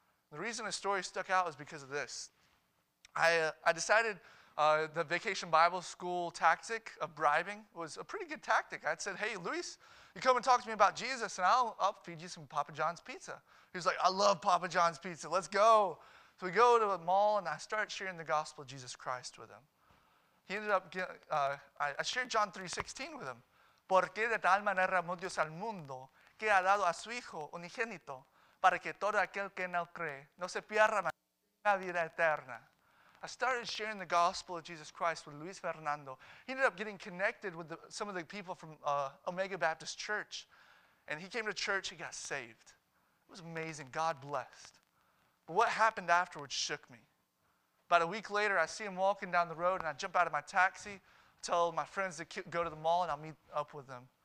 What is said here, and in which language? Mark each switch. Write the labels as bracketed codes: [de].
[en] The reason his story stuck out was because of this. I decided the vacation Bible school tactic of bribing was a pretty good tactic. I said, hey, Luis, you come and talk to me about Jesus, and I'll feed you some Papa John's pizza. He was like, I love Papa John's pizza. Let's go. So we go to a mall, and I start sharing the gospel of Jesus Christ with him. He ended up getting, I shared John 3:16 with him. [es] Porque de tal manera amó Dios al mundo que ha dado a su hijo unigénito para que todo aquel que en él cree no se pierda más la vida eterna. [en] I started sharing the gospel of Jesus Christ with Luis Fernando. He ended up getting connected with some of the people from Omega Baptist Church. And he came to church, he got saved. It was amazing, God blessed. But what happened afterwards shook me. About a week later, I see him walking down the road and I jump out of my taxi, tell my friends to go to the mall and I'll meet up with them.